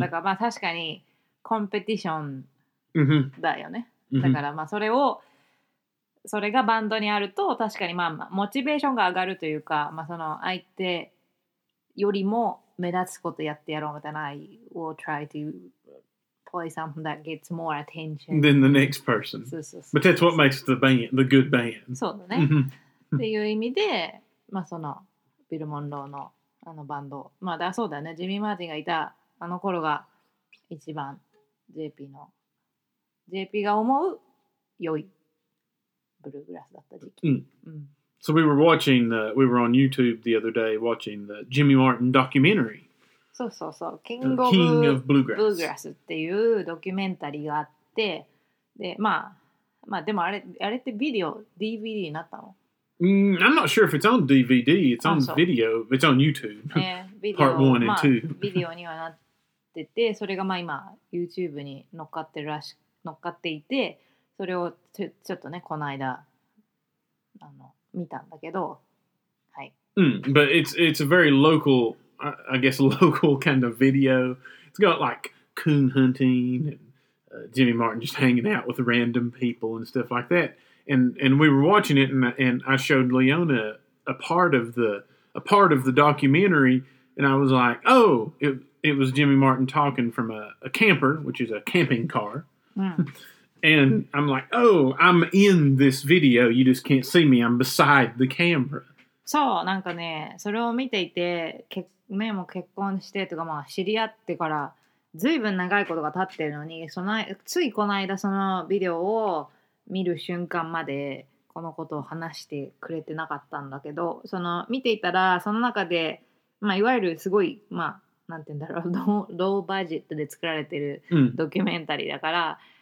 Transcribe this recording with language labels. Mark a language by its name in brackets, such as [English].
[Japanese] だから、まあ確かに、コンペティションだよね。 Mm-hmm. だから、まあそれを、それがバンドにあると、確かに、まあ、モチベーションが上がるというか、まあその、相手よりも目立つことやってやろうみたいな、 [English] I will try to... play something that gets more attention than the next person. But that's what makes the band the good band. [Japanese] そうだね。っていう意味で、まあそのビル・モンローのあのバンド、まあだそうだね。ジミー・マーティンがいたあの頃が一番 JP の JP が思う良いブルーグラスだった時期。 [English] So we were watching the, we were on YouTube the other day watching the Jimmy Martin documentary. [Japanese] そうそうそう、King of Bluegrass. Bluegrass っていうドキュメンタリーがあって、で、まあ、まあでもあれってビデオ、DVD になったの？ [English] I'm not sure if it's on DVD. It's on video. It's on YouTube. Part 1 and 2. [Japanese] ビデオにはなってて、それがまあ今 YouTube に乗っかってるらし、乗っかっていて、それをちょっとね、この間あの見たんだけど、はい。 [English] But it's a very local... I guess local kind of video. It's got like coon hunting and Jimmy Martin just hanging out with random people and stuff like that. And we were watching it and I showed Leona a part of the documentary and I was like, oh, it was Jimmy Martin talking from a camper, which is a camping car. Yeah. And I'm like, oh, I'm in this video. You just can't see me. I'm beside the camera. [Japanese] そう、なんかね、それを見ていて、ね、もう結婚してとか、まあ、知り合ってから、ずいぶん長いことが経ってるのに、ついこの間、そのビデオを見る瞬間まで、このことを話してくれてなかったんだけど、その見ていたら、その中で、まあ、いわゆるすごい、まあ、なんて言うんだろう、ローバジェットで作られてるドキュメンタリーだから、